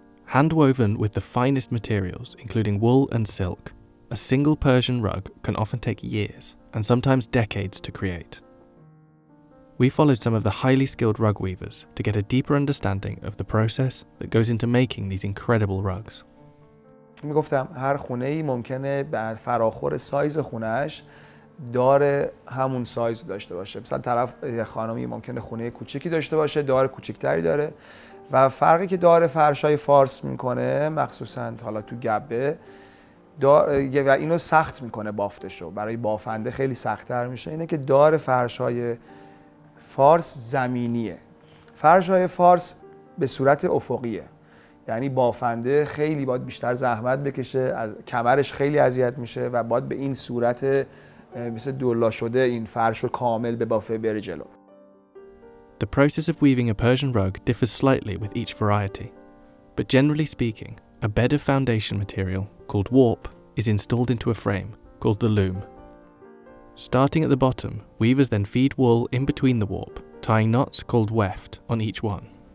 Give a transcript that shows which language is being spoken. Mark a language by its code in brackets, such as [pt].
[en] Handwoven with the finest materials, including wool and silk, a single Persian rug can often take years and sometimes decades to create. We followed some of the highly skilled rug weavers to get a deeper understanding of the process that goes into making these incredible rugs. [fa] می گفتم هر خونه ای ممکنه بعد فراخور سایز خونهش داره همون سایز داشته باشه. مثلا طرف خانمی ممکنه خونه کوچیکی داشته باشه، داره کوچیکتری داره و فرقی که داره فرشای فارس میکنه مخصوصا حالا تو گبه و اینو سخت میکنه بافتشو برای بافنده خیلی سخت‌تر میشه اینه که داره فرشای فارس زمینیه. فرشای فارس به صورت افقیه، یعنی بافنده خیلی باید بیشتر زحمت بکشه، از کمرش خیلی اذیت میشه و باید به این صورت مثل دولا شده این فرشو کامل به بافه بره جلو. [en] The process of weaving a Persian rug differs slightly with each variety, but generally speaking, a bed of foundation material called warp is installed into a frame called the loom. Starting at the bottom, weavers then feed wool in between the warp, tying knots called weft on each one.